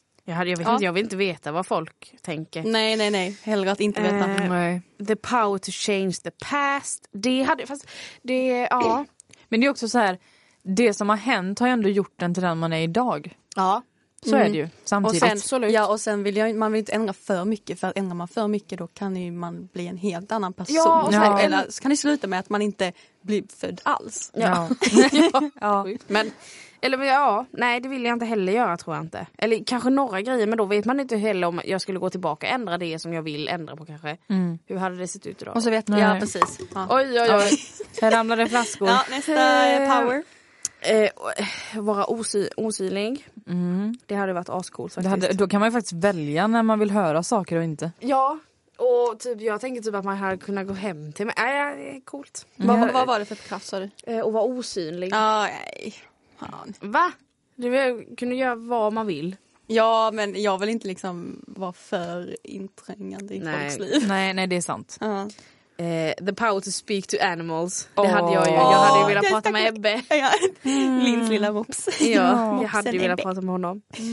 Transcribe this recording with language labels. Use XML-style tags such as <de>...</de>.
<sv>Jag vill inte veta vad folk tänker. Nej. Hellre att inte veta.</sv> <en>The power to change the past.</en> <sv>Det hade, fast det, ja. Men det är också så här, det som har hänt har ju ändå gjort den till den man är idag. Ja. Så är det ju, samtidigt. Och sen, vill jag, man vill inte ändra för mycket, för ändrar man för mycket då kan ju man bli en helt annan person. Ja, och sen, eller så kan det sluta med att man inte blir född alls. Ja. Ja. Men... Eller ja, nej, det vill jag inte heller göra, tror jag inte. Eller kanske några grejer, men då vet man inte heller om jag skulle gå tillbaka och ändra det som jag vill ändra på, kanske. Mm. Hur hade det sett ut idag? Och så vet jag precis. Ja. Oj. Här ramlade flaskor. Ja, nästa power. Vara osynlig. Mm. Det hade varit ascoolt faktiskt. Då kan man ju faktiskt välja när man vill höra saker och inte. Ja, och typ, jag tänker typ att man hade kunnat gå hem till mig. Nej, coolt. Mm. Vad var det för kraft, sa du? Och vara osynlig. Nej. Va? Du kunde göra vad man vill. Ja, men jag vill inte liksom vara för inträngande i folks liv. Nej, det är sant.</sv> <en>The power to speak to animals.</en> <sv>Det hade jag ju. Jag hade ju velat prata med Ebbe. Lins lilla mops. Ja, jag hade ju velat prata med honom.</sv>